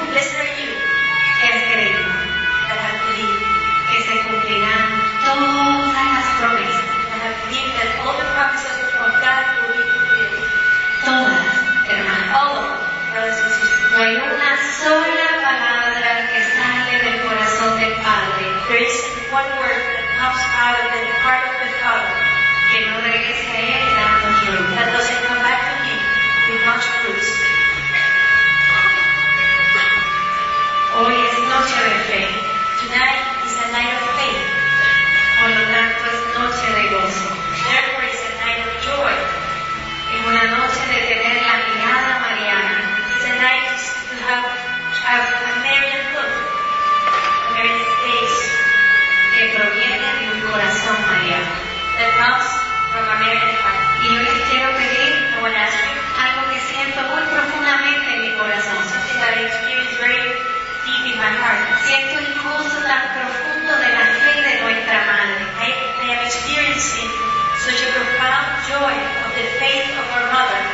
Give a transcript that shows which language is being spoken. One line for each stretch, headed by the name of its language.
English: blessed are you,
Spanish: que has creído,
English: that have believed,
Spanish: que se cumplirán todas las promesas,
English: that have believed that all the promises of God will be fulfilled,
Spanish: todas, hermanos,
English: all of them, brothers and sisters.
Spanish: No hay una sola palabra que sale del corazón del Padre.
English: There is one word that comes out of the heart of the Father,
Spanish: que no regrese a él dando fruto,
English: that doesn't come back to him with much fruits.
Spanish: Hoy es noche de fe.
English: Tonight is a night of faith.
Spanish: Por lo tanto, es noche de gozo.
English: Therefore, it's a night of joy.
Spanish: Es una noche de tener la mirada mariana.
English: It's a night to have a Marian look, a Marian face,
Spanish: que proviene de un corazón mariano.
English: That comes from a Marian heart.
Spanish: Y hoy les quiero pedir,
English: I want to ask you,
Spanish: algo que siento muy profundamente en mi corazón.
English: Something that I experience very deep in my heart.
Spanish: Siento incluso tan profundo de la fe de nuestra madre.
English: I am experiencing such a profound joy of the faith of our mother.